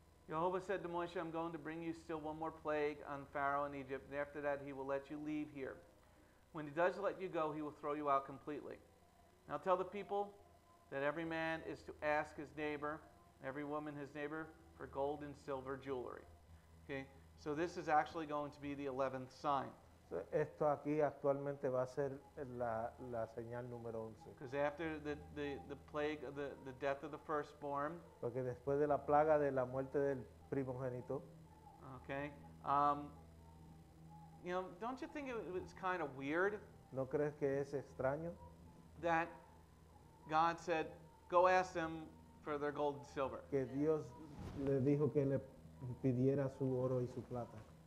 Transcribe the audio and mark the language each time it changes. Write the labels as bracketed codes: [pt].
[en] Yehovah said to Moshe, I'm going to bring you still one more plague on Pharaoh in Egypt, and after that he will let you leave here. When he does let you go, he will throw you out completely. Now tell the people that every man is to ask his neighbor, every woman his neighbor, for gold and silver jewelry. Okay, so this is actually going to be the 11th sign. So, [es] esto aquí actualmente va a ser la señal número 11. [en] Because after the plague of the death of the firstborn. [es] Porque después de la plaga de la muerte del primogénito. [en] Okay. You know, don't you think it's kind of weird? [es] ¿No crees que es extraño? [en] That God said, go ask them for their gold and silver. [es] Que Dios le dijo que le pidiera su oro y su plata.